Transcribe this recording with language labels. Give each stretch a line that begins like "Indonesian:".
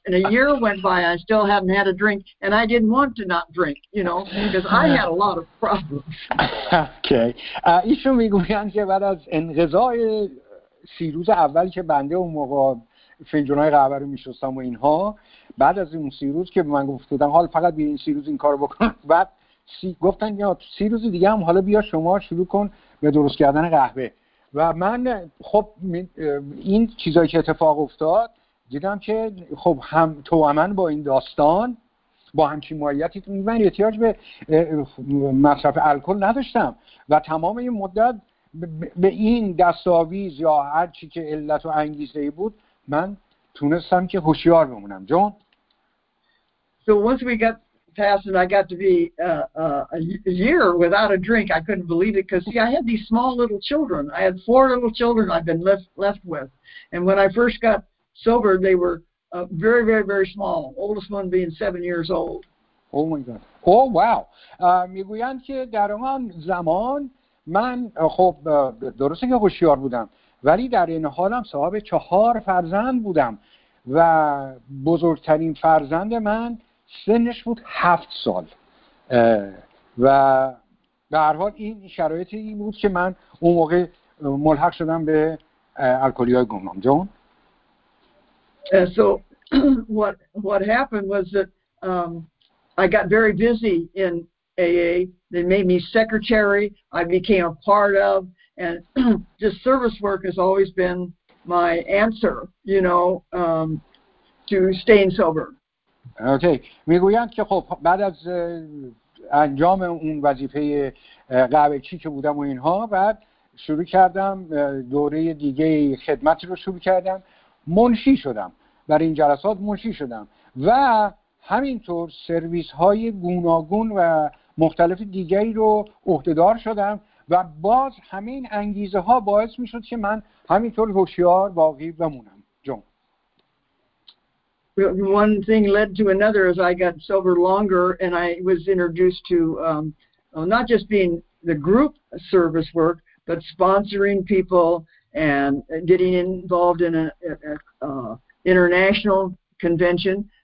English: And a year went by, I still haven't had a drink, and I didn't want to not drink, you know, because I had a lot of problems. Okay.
Persian: ایشون میگویند که بعد از انقضای 30 روز اول که بنده اون موقع فنجونای قهوه رو میشستم و اینها، بعد از اون 30 روز که به من گفته بودن حال فقط بیاین 30 روز این کار بکنم، بعد گفتن یا 30 روز دیگه هم حالا بیا شما شروع کن به درست کردن قهوه. و من خب این چیزایی که اتفاق افتاد دیدم که خب هم توامن با این داستان با همچین ماهیتی، من احتیاج به مصرف الکل نداشتم و تمام این مدت به این دستاویز یا هر چی که علت و انگیزه بود من تونستم که هوشیار بمونم. جون،
English: passed and I got to be a year without a drink. I couldn't believe it because, see, I had these small little children. I had four little children I've been left with. And when I first got sober, they were very, very, very small, oldest one being 7 years old. Oh, my God. Oh, wow.
Persian: میگویند که در آن زمان من خب درسته که هوشیار بودم، ولی در این حالم صاحب 4 فرزند بودم و بزرگترین فرزند من سنش بود 7 سال و به هر حال این شرایطی بود که من اون موقع ملحق شدم به الکلی های گمنام. جون،
English: so what happened was that I got very busy in AA. They made me secretary. I became a part of, and just service work has always been my answer, you know, to staying sober. Okay.
Persian: میگویند که خب بعد از انجام اون وظیفه قهوه‌چی که بودم و اینها، بعد شروع کردم دوره دیگه خدمت رو شروع کردم، منشی شدم، برای این جلسات منشی شدم و همینطور سرویس های گوناگون و مختلف دیگری رو عهده‌دار شدم و باز همین انگیزه ها باعث میشد که من همینطور هوشیار باقی بمونم.
English: One thing led to another as I got sober longer, and I was introduced to not just being the group service work, but sponsoring people and getting involved in an international convention.